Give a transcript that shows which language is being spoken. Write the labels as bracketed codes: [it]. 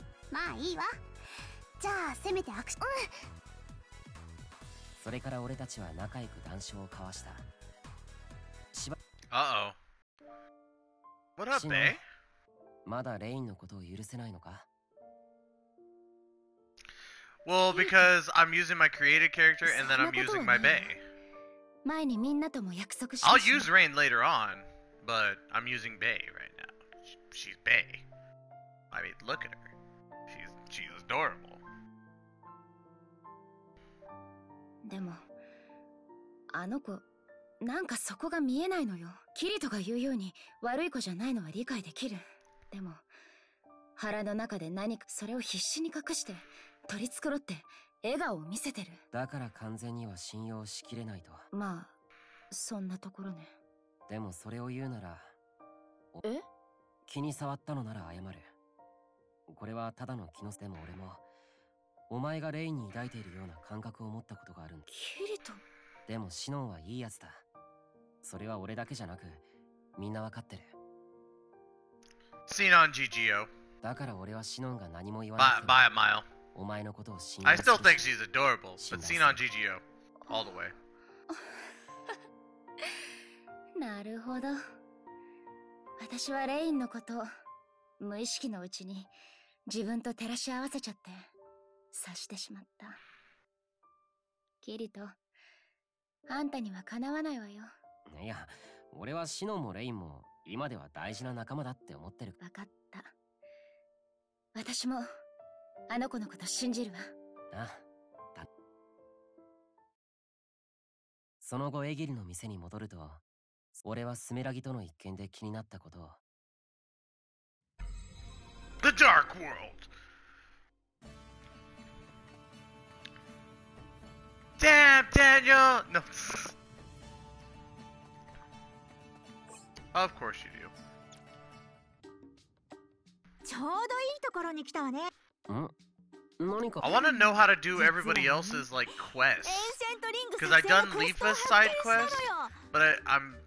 [ja] まあいいわ。じゃあせめて握手。うん。それから俺たちは仲良く談笑を交わした。しば、 [en] What happened? [ja] まだレインのことを許せないのか？ [en] Well, because I'm using my creator character and then I'm using my bae. I'll use Rain later on, but I'm using bae right now. She's bae. I mean, look at her. She's adorable. [ja] Demo, あの子、なんかそこが見えないのよ。キリトが言うように、悪い子じゃないのは理解できる。でも、腹の中で何かそれを必死に隠して。取り繕って笑顔を見せてる。だから完全には信用しきれないと。まあそんなところね。でもそれを言うなら、え、気に触ったのなら謝る。これはただの気のせいでも、俺もお前がレインに抱いているような感覚を持ったことがあるんだ。キリト、でもシノンはいいやつだ。それは俺だけじゃなくみんなわかってる。シノン GGO。だから俺はシノンが何も言わなくても、 [en] by a mileI still think she's adorable, but seen on GGO. All the way. [ja] なるほど。私はレインのこと、無意識のうちに自分と照らし合わせちゃって、察してしまった。キリト、あんたにはかなわないわよ。いや、俺はシノンもレインも今では大事な仲間だって思ってる。わかった。私も。あの子のこと信じるわ。あ、だ。その後エギリの店に戻ると、俺はスメラギとの一件で気になったことを。 [en] The Dark World! Damn, Daniel! No. Of course you do. [ja] ちょうどいいところに来たわね。 [en] I want to know how to do everybody else's like quests. Because I've done Leafa's side quest, but I'm.